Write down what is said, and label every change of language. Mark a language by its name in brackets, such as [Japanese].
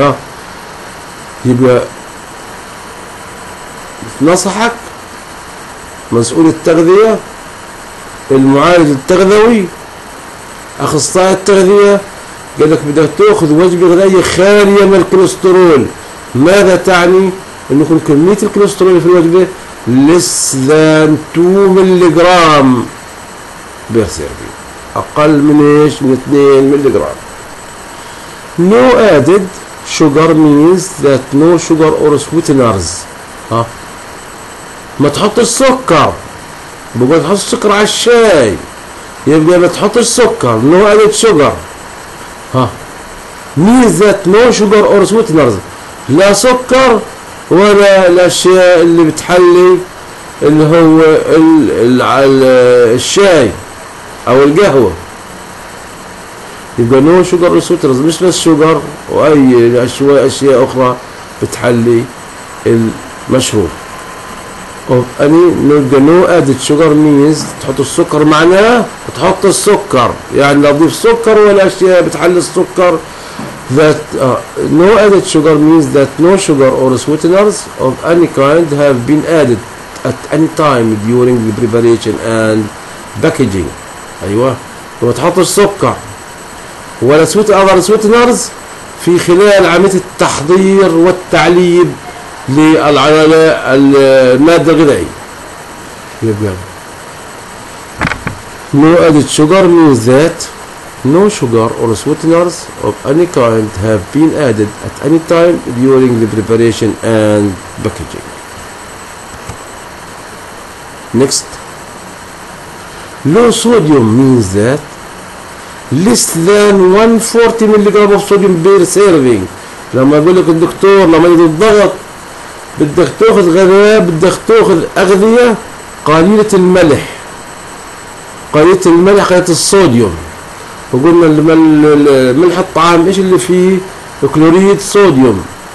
[Arabic] ها يبقى نصحك مسؤول التغذيه، المعالج التغذوي، اخصائي التغذيه قال لك بدك تاخذ وجبه غذائيه خاليه من الكوليسترول، ماذا تعني؟ انه يكون كميه الكوليسترول في الوجبه less than 2 ملي جرام بير سيرفين، اقل من ايش؟ من 2 ملي جرام. [English] No added sugar means that no sugar or sweeteners. [Arabic] ها؟ ما تحطش سكر، بقول تحط السكر على الشاي، يبقى ما تحطش سكر، No added sugar. ها means that no sugar or sweeteners، لا سكر ولا الاشياء اللي بتحلي اللي هو الـ الشاي او القهوه. يبقى no sugar or sweeteners، مش بس شوجر واي اشياء اخرى بتحلي المشروب. اني نبقى no added sugar means تحط السكر، معناه تحط السكر يعني لا تضيف سكر ولا اشياء بتحل السكر. [English] That no added sugar means that no sugar or sweeteners of any kind have been added at any time during the preparation and packaging. [Arabic] ايوه ما تحطش سكر ولا sweeteners في خلال عمليه التحضير والتعليب للعلالة المادة الغذائية. [English] يبقى no added sugar means that no sugar or sweeteners of any kind have been added at any time during the preparation and packaging. Next. Low sodium means that less than 140 milligram of sodium per serving. [Arabic] لما يقول لك الدكتور لما يجي الضغط بدك تاخذ غذاء، بدك تاخذ اغذيه قليله الملح، قليله الملح، قليله الصوديوم. وقلنا ملح الطعام ايش اللي فيه؟ كلوريد صوديوم.